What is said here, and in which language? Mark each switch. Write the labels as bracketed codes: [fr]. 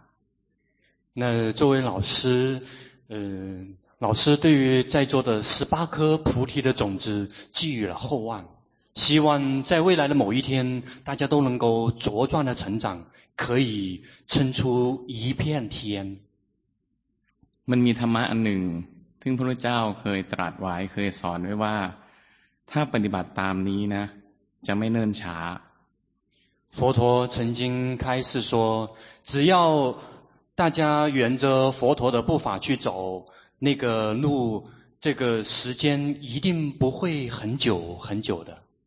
[zh] ๆ那作为老师老师对于在座的十八颗菩提的种子寄予了厚望希望在未来的某一天大家都能够茁壮的成长可以撑出一片天 [th] มันมีธรรมะอันหนึ่งซึ่งพระพุทธเจ้าเคยตรัสไว้เคยสอนไว้ว่าถ้าปฏิบัติตามนี้นะจะไม่เนิ่นช้า [zh] 佛陀曾经开示说只要大家沿着佛陀的步伐去走那个路这个时间一定不会很久很久的